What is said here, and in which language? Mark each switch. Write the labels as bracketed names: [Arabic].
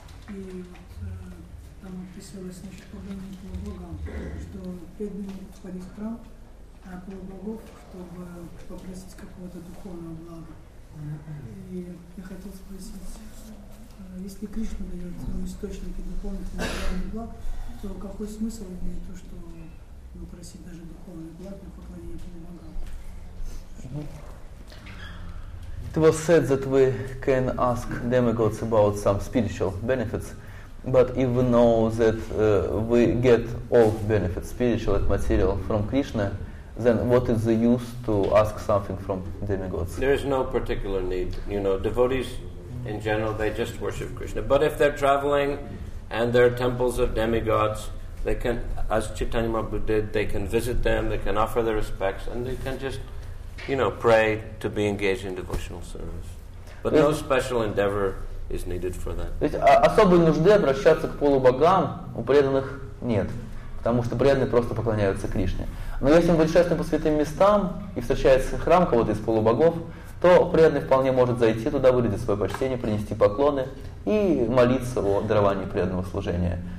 [Russian] И там описывалось насчет поклонения полубогам, что преданные входят в храм, а полубогов, чтобы попросить какого-то духовного блага. И я хотел спросить, если Кришна дает источники духовных и материальных благ, то какой смысл имеет то, что просить даже духовных благ для поклонения полубогам? [English] It was said that we can ask demigods about some spiritual benefits, but if we know that we get all benefits, spiritual and material, from Krishna, then what is the use to ask something from demigods? There is no particular need. You know, devotees in general, they just worship Krishna. But if they're traveling and there are temples of demigods, they can, as Chaitanya Mahaprabhu did, they can visit them, they can offer their respects, and they can just, you know, pray to be engaged in devotional service. But no special endeavor is needed for that. [Russian] То есть особой нужды обращаться к полубогам у преданных нет, потому что преданные просто поклоняются Кришне. Но если мы путешествуем по святым местам и встречается храм кого-то из полубогов, то преданный вполне может зайти туда, выразить свое почтение, принести поклоны и молиться о даровании преданного служения.